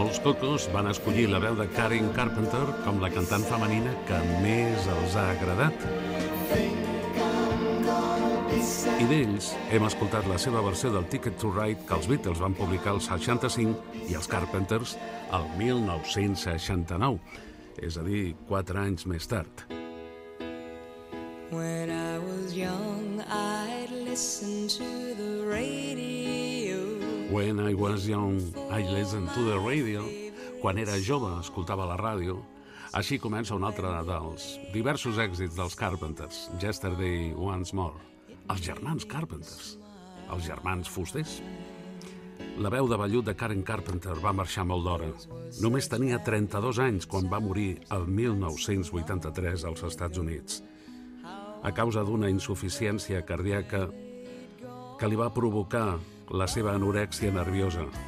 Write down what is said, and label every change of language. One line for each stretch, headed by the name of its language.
Catalan: Cocos van escollir la veu de Karen Carpenter com la cantant femenina que més els ha agradat. I d'ells hem escoltat la seva versió del Ticket to Ride que els Beatles van publicar el 65 i els Carpenters el 1969, és a dir, 4 anys més tard.
English: When I was young, I'd listen to the radio. When I was young, I listened to the radio.
Catalan: Quan era jove, escoltava la ràdio. Així comença un altre dels diversos èxits dels Carpenters, Yesterday Once More. Els germans Carpenters. Els germans Fusters. La veu de vellut de Karen Carpenter va marxar molt d'hora. Només tenia 32 anys quan va morir el 1983 als Estats Units, a causa d'una insuficiència cardíaca que li va provocar la seva anorèxia nerviosa.